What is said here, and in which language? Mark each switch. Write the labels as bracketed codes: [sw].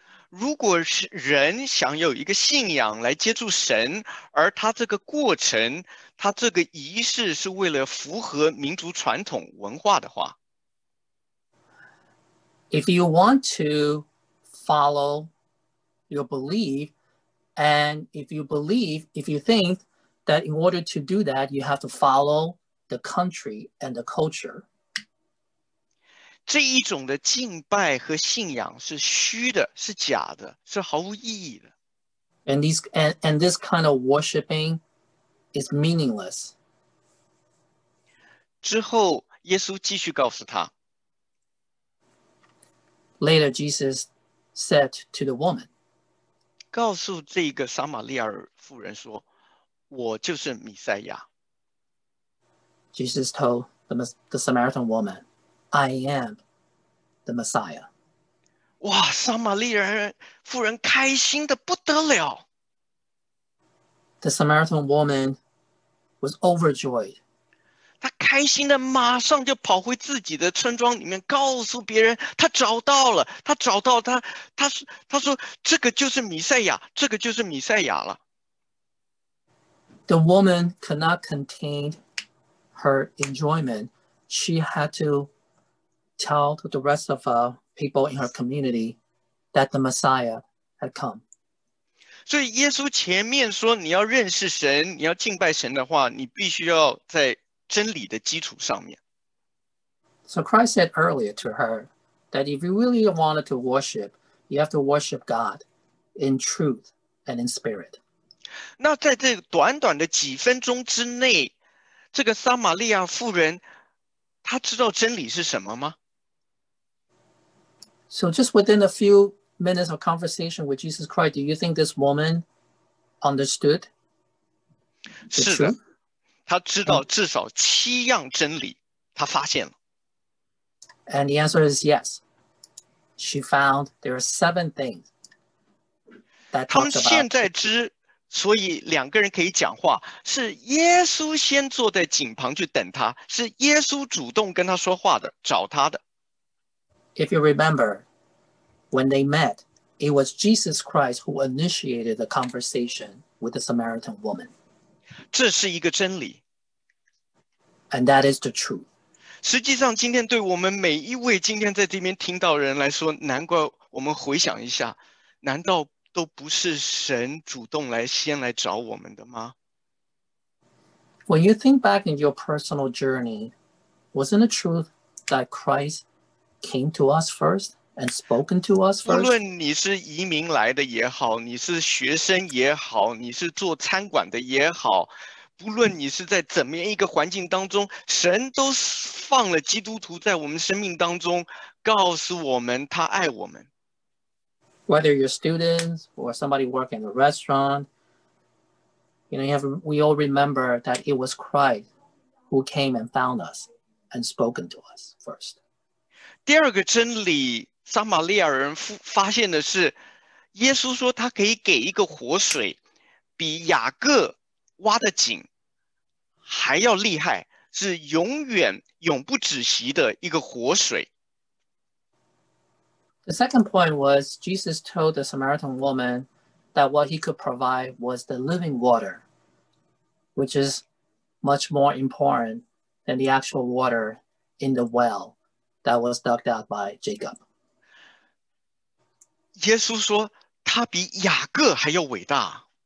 [zh] 如果人想有一个信仰来接触神，而他这个过程，他这个仪式是为了符合民族传统文化的话。 [en] If you want to follow your belief, and if you think that in order to do that, you have to follow the country and the culture. [zh] 这一种的敬拜和信仰是虚的，是假的，是毫无意义的。 [en] And this kind of worshiping is meaningless. [zh] 之后，耶稣继续告诉他。 [en] Later, Jesus said to the woman, [zh] 告诉这个撒玛利亚妇人说，我就是弥赛亚。 [en] Jesus told the Samaritan woman, I am the Messiah. [zh] 哇，撒玛利亚妇人开心的不得了。 [en] The Samaritan woman was overjoyed. [zh] 她开心的马上就跑回自己的村庄里面告诉别人，她找到了，她找到她，她说，这个就是弥赛亚，这个就是弥赛亚了。 [en] The woman could not contain her enjoyment. She had to tell to the rest of people in her community that the Messiah had come. [zh] 所以耶稣前面说，你要认识神，你要敬拜神的话，你必须要在真理的基础上面。 [en] So Christ said earlier to her that if you really wanted to worship, you have to worship God in truth and in spirit. [zh] 那在这短短的几分钟之内，这个撒玛利亚妇人，她知道真理是什么吗？ [en] So just within a few minutes of conversation with Jesus Christ, do you think this woman understood? [zh] 是的，她知道至少七样真理，她发现了。 [en] And the answer is yes. She found there are seven things that talks about. [zh] 他们现在知，所以两个人可以讲话，是耶稣先坐在井旁去等他，是耶稣主动跟他说话的，找他的。 [en] If you remember, when they met, it was Jesus Christ who initiated the conversation with the Samaritan woman. [zh] 这是一个真理。 [en] And that is the truth. [zh] 实际上今天对我们每一位今天在这边听到的人来说，难怪我们回想一下，难道都不是神主动来先来找我们的吗？ [en] When you think back in your personal journey, wasn't it true that Christ came to us first and spoken to us first? [zh] 无论你是移民来的也好，你是学生也好，你是做餐馆的也好，不论你是在怎么样一个环境当中，神都放了基督徒在我们生命当中，告诉我们他爱我们。 [en] Whether you're students or somebody working in a restaurant, you know, we all remember that it was Christ who came and found us and spoken to us first. [zh] 第二个真理，撒玛利亚人发现的是，耶稣说他可以给一个活水，比雅各挖的井还要厉害，是永远永不止息的一个活水。 [en] The second point was Jesus told the Samaritan woman that what he could provide was the living water, which is much more important than the actual water in the well that was dug out by Jacob. [zh] 耶稣说他比雅各还要伟大。